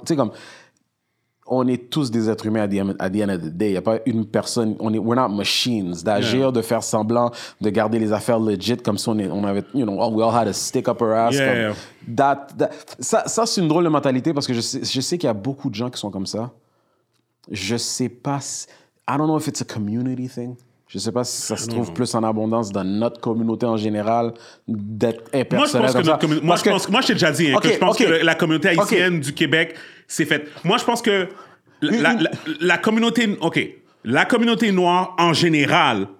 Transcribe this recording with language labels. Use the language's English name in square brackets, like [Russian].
[French] Tu sais, comme, on est tous des êtres humains [English] at the end of the day. [French] Il n'y a pas une personne, [English] we're not machines. [French] D'agir, yeah. de faire semblant, de garder les affaires legit comme si on avait, [English] you know, we all had a stick up our ass. Yeah, comme, yeah. [French] Ça, c'est une drôle de mentalité parce que je sais qu'il y a beaucoup de gens qui sont comme ça. Je sais pas si, [English] I don't know if it's a community thing. [French] Je sais pas si ça se trouve plus en abondance dans notre communauté en général d'être impersonnel. Moi, je t'ai déjà dit hein, okay, que je pense okay. que la communauté haïtienne okay. du Québec s'est faite. Moi, je pense que la communauté noire en général,